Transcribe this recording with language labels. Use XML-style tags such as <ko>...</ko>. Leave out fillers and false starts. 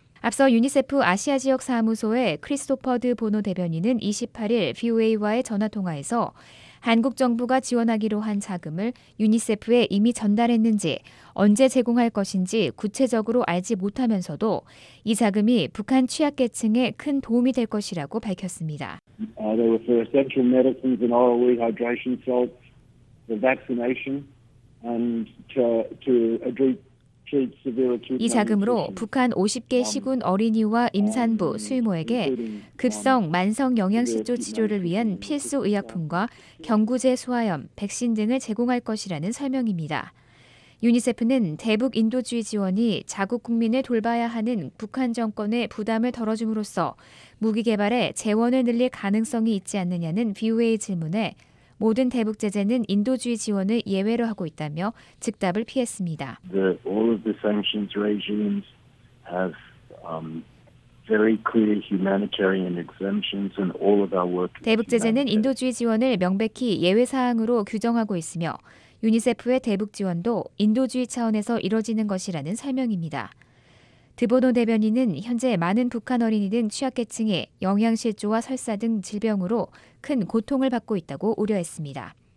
<ko>앞서 유니세프 아시아 지역 사무소의 크리스토퍼드 보노 대변인은 28일 VOA와의 전화통화에서 한국 정부가 지원하기로 한 자금을 유니세프에 이미 전달했는지 언제 제공할 것인지 구체적으로 알지 못하면서도 이 자금이 북한 취약계층에 큰 도움이 될 것이라고 밝혔습니다.</ko> <en>They were for essential medicines and oral rehydration salts, the vaccination, and to address</en> <ko>이 자금으로 북한 50개 시군 어린이와 임산부, 수유모에게 급성 만성 영양실조 치료를 위한 필수 의약품과 경구제 소화염, 백신 등을 제공할 것이라는 설명입니다. 유니세프는 대북 인도주의 지원이 자국 국민을 돌봐야 하는 북한 정권의 부담을 덜어줌으로써 무기 개발에 재원을 늘릴 가능성이 있지 않느냐는 VOA 질문에 모든 대북 제재는 인도주의 지원을 예외로 하고 있다며 즉답을 피했습니다.</ko> <en>All of the sanctions regimes have very clear humanitarian exemptions and all of our work.</en> <ko>대북 제재는 인도주의 지원을 명백히 예외 사항으로 규정하고 있으며 유니세프의 대북 지원도 인도주의 차원에서 이루어지는 것이라는 설명입니다. 드보노 대변인은 현재 많은 북한 어린이 등 취약계층이 영양실조와 설사 등 질병으로 큰 고통을 받고 있다고 우려했습니다.</ko>